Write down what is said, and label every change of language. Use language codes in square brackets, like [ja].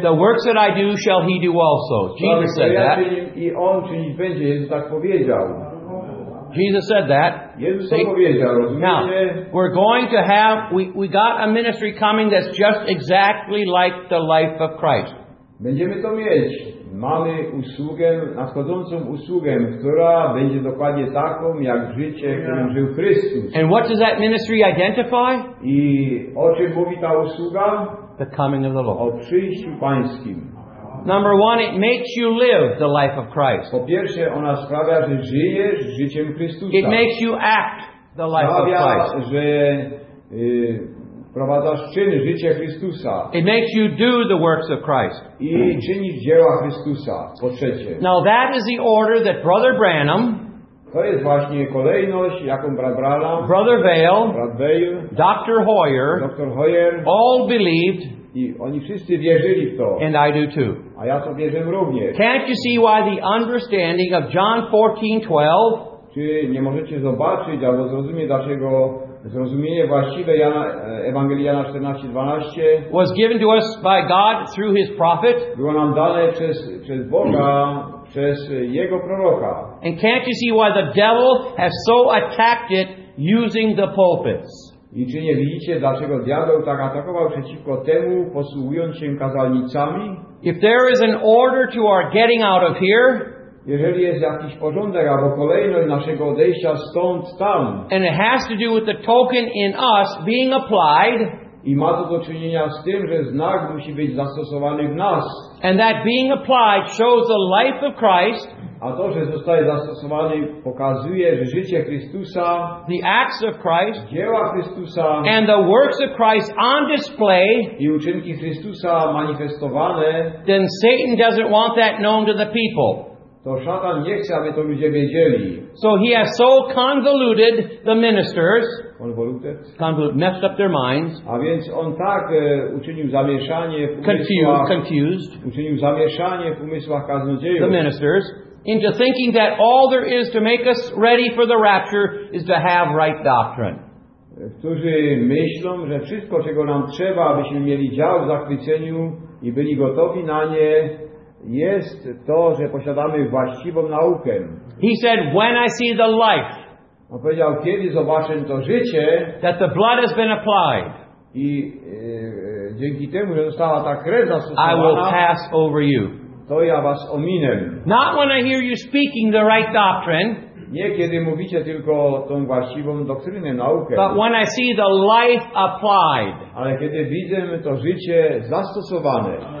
[en] the works that I do shall he do also. Jesus said that. [pl] I on czynić będzie, Jezus tak powiedział. [en] Jesus said that. [pl] Jezus to powiedział, rozumiecie? [en] Now, we're going to have, we got a ministry coming that's just exactly like the life of Christ. [pl] Będziemy to mieć. Mamy usługę, nadchodzącą usługę, która będzie dokładnie taką, jak życie, którym żył Chrystus. [en] And what does that ministry identify? [pl] I o czym mówi ta usługa? [en] The coming of the Lord. [pl] O przyjściu Pańskim. [en] Number one, it makes you live the life of Christ. [pl] Po pierwsze, ona sprawia, że żyjesz życiem Chrystusa. [en] It makes you act the life [pl] sprawia, [en] of Christ. [pl] Sprawia, że prowadzasz czyny życia Chrystusa. [en] It makes you do the works of Christ. [pl] I czynisz dzieła Chrystusa. Po trzecie. [en] Now that is the order that Brother Branham, [pl] to jest właśnie kolejność, jaką brat Branham, [en] Brother Vail, [pl] brat Vail, [en] Dr. Hoyer, all believed, [pl] i oni wszyscy wierzyli w to. [en] And I do too. [pl] A ja to wierzę również. [en] Can't you see why the understanding of John 14:12? [pl] Czy nie możecie zobaczyć albo zrozumieć, dlaczego zrozumienie właściwe Jana, Ewangelii Jana 14:12 [en] was given to us by God through his prophet, [pl] było nam dane przez Boga, przez jego proroka. [en] And can't you see why the devil has so attacked it using the pulpits? [pl] I czy nie widzicie, dlaczego diabeł tak atakował przeciwko temu, posługując się kazalnicami? [en] If there is an order to our getting out of here, [pl] jeżeli jest jakiś porządek albo kolejność naszego odejścia stąd tam, [en] and it has to do with the token in us being applied, [pl] i ma to do czynienia z tym, że znak musi być zastosowany w nas, [en] and that being applied shows the life of Christ, [pl] a to, że zostaje zastosowany, pokazuje, że życie Chrystusa, [en] the acts of Christ, [pl] dzieła Chrystusa, [en] and the works of Christ on display, [pl] i uczynki Chrystusa manifestowane, [en] then Satan doesn't want that known to the people. [pl] To szatan nie chce, aby to ludzie wiedzieli. [en] So he has so convoluted the ministers, convoluted, messed up their minds, [pl] a więc on tak uczynił zamieszanie w umysłach, [en] confused, [pl] uczynił zamieszanie w umysłach kaznodziejów, [en] the ministers, into thinking that all there is to make us ready for the rapture is to have right doctrine. [pl] Którzy myślą, że wszystko, czego nam trzeba, abyśmy mieli dział w zachwyceniu i byli gotowi na nie, jest to, że posiadamy właściwą naukę. [en] He said, when I see the life, [pl] on powiedział, kiedy zobaczę to życie, [en] that the blood has been applied, [pl] i dzięki temu, że została ta krew zastosowana, [en] I will pass over you. [pl] To ja was ominę. [en] Not when I hear you speaking the right doctrine, [pl] nie kiedy mówicie tylko tą właściwą doktrynę, naukę, [en] but when I see the life applied, [pl] ale kiedy widzę to życie zastosowane,